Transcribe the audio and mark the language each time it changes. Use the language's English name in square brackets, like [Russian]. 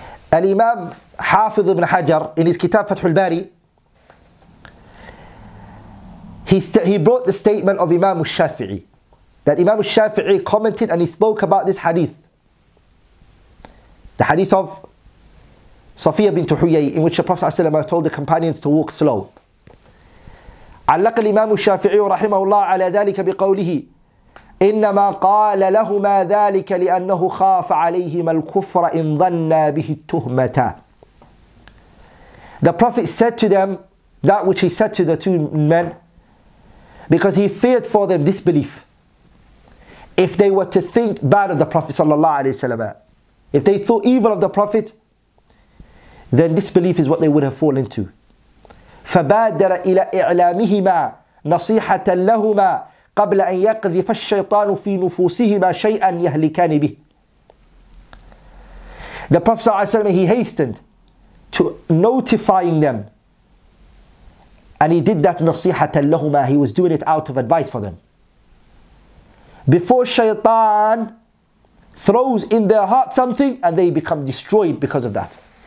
[English] Al-Imam Hafiz ibn Hajar, in his Kitab Fathul Bari, he brought the statement of Imam al-Shafi'i, that Imam al-Shafi'i commented and he spoke about this hadith, the hadith of Safiyyah bint Huyay, in which the Prophet ﷺ told the companions to walk slow. [Arabic] علق الإمام الشافعي رحمه الله على ذلك بقوله إنما قال لهما ذلك لأنه خاف عليهما الكفر إن ظن به التهمة. [English] The Prophet said to them that which he said to the two men because he feared for them disbelief. If they were to think bad of the Prophet صلى الله عليه وسلم, if they thought evil of the Prophet, then disbelief is what they would have fallen to. [Arabic] فبادر إلى إعلامهما نصيحة لهما قبل أن يقذف الشيطان في نفوسهما شيئا يهلكان به. [English] The Prophet ﷺ, he hastened to notifying them, and he did that نصيحة لهما. He was doing it out of advice for them. Before Shaytan throws in their heart something and they become destroyed because of that.